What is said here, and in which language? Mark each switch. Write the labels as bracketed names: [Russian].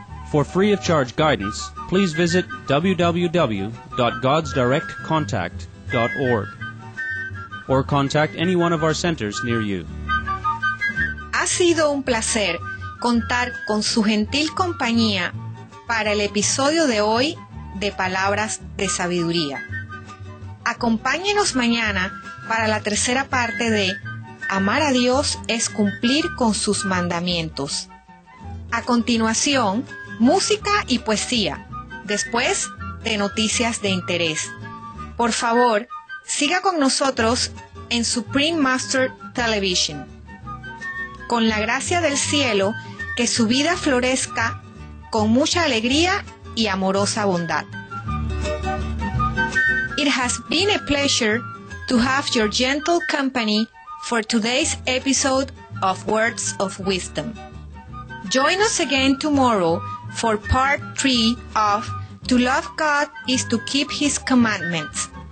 [English] For free of charge guidance, please visit www.godsdirectcontact.org or contact any one of our centers near you. [Spanish] Ha sido un placer contar con su gentil compañía para el episodio de hoy de Palabras de Sabiduría. Acompáñenos mañana para la tercera parte de amar a Dios es cumplir con sus mandamientos. A continuación, música y poesía. Después, de noticias de interés. Por favor, siga con nosotros en Supreme Master Television. Con la gracia del cielo, que su vida florezca con mucha alegría y amorosa bondad. [English] It has been a pleasure to have your gentle company for today's episode of Words of Wisdom. Join us again tomorrow for part 3 of To Love God is to Keep His Commandments.